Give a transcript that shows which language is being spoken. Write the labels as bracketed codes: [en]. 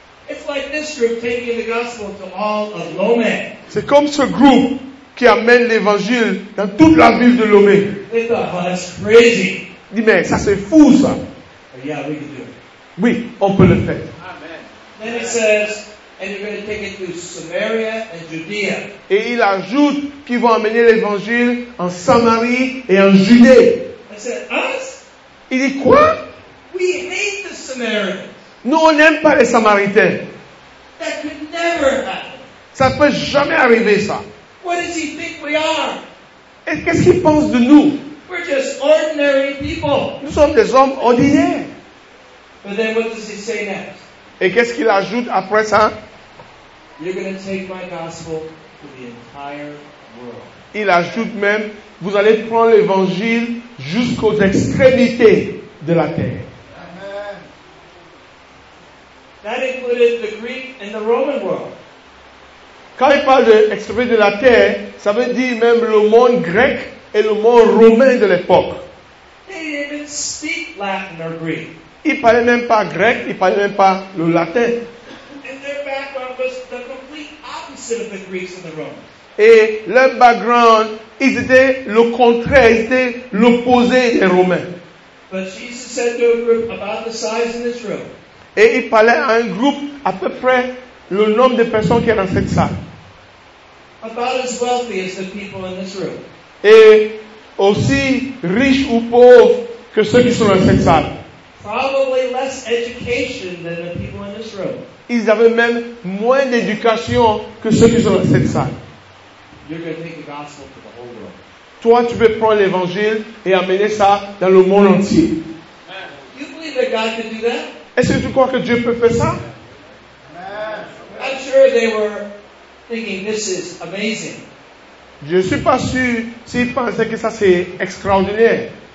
[en] It's like this group taking the gospel to all of Lomé. [fr] C'est comme ce groupe qui amène l'évangile dans toute la ville de Lomé. [en] They thought, oh, that's crazy. [fr] Il dit, mais ça c'est fou ça. [en] Yeah, we can do it. [fr] Oui, on peut le faire. [en] Amen. Then it says, and you're going to take it to Samaria and Judea. [fr] Et il ajoute qu'ils vont amener l'évangile en Samarie et en Judée. [en] I said, us? [fr] Il dit quoi? [en] We hate the Samaritans. [fr] Nous, on n'aime pas les Samaritains. [en] That could never happen. [fr] Ça ne peut jamais arriver, ça. [en] What does he think we are? [fr] Et qu'est-ce qu'il pense de nous? [en] We're just ordinary people. [fr] Nous sommes des hommes ordinaires. [en] But then what does he say next? [fr] Et qu'est-ce qu'il ajoute après ça? [en] You're going to take my gospel to the entire world. [fr] Il ajoute même, vous allez prendre l'évangile jusqu'aux extrémités de la terre. [en] Amen. That included the Greek and the Roman world. [fr] Quand il parle d'extrémités de la terre, ça veut dire même le monde grec et le monde romain de l'époque. [en] They didn't even speak Latin or Greek. [fr] Il ne parlait même pas grec, il ne parlait même pas le latin. [en] And their background was the complete opposite of the Greeks and the Romans. [fr] Et leur background, ils étaient le contraire, ils étaient l'opposé des Romains. [en] But Jesus said to a group about the size in this room. [fr] Et il parlait à un groupe à peu près le nombre de personnes qui étaient dans cette salle. [en] About as wealthy as the people in this room. [fr] Et aussi riches ou pauvres que ceux qui sont dans cette salle. [en] Probably less education than the people in this room. [fr] Ils avaient même moins d'éducation que ceux qui sont dans cette salle. [en] You're going to take the gospel to the whole world. [fr] Toi, tu peux prendre l'évangile et amener ça dans le monde entier. [en] You believe that God can do that? [fr] Est-ce que tu crois que Dieu peut faire ça? [en] I'm sure they were thinking this is amazing. [fr] Je ne suis pas sûr s'ils pensaient que ça c'est extraordinaire.